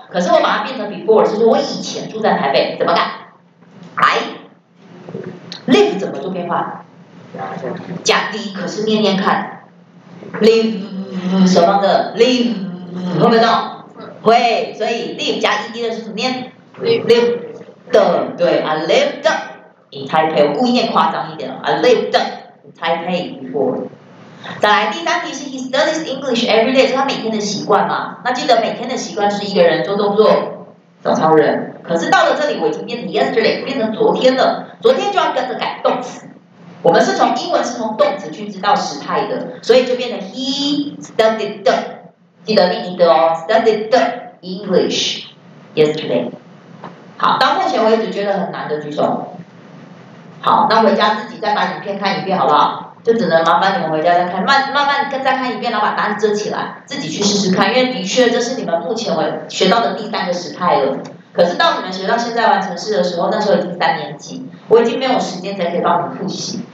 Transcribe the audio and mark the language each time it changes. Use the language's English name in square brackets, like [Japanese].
[Chinese] 可是我把它变成 before， 是说我以前住在台北，怎么改 ？ [English] I live [Chinese] 怎么做变化？加 d， 可是念念看 ，live 什么的 ，live 会不会动？会，所以 live 加 ed 的是什么念 [English] ？lived 的，对 ，I lived in Taipei， [Chinese] 我故意念夸张一点哦 [English] ，I lived in Taipei before。 [Chinese] 再来第三题是 ， [English] He studies English every day， [Chinese] 是他每天的习惯嘛？那记得每天的习惯是一个人做动作，找超人。可是到了这里，我已经变成 yesterday， 变成昨天了，昨天就要跟着改动词。我们是从英文是从动词去知道时态的，所以就变成 [English] He studied。 [Chinese] 记得另一个哦 ， [English] studied the English yesterday。 [Chinese] 好，到目前为止觉得很难的举手。好，那回家自己再把影片看一遍好不好？就只能麻烦你们回家再看，慢慢再看一遍，然后把答案遮起来，自己去试试看。因为的确这是你们目前为学到的第三个时态了。可是到你们学到现在完成式的时候，那时候已经三年级，我已经没有时间再可以帮你们复习。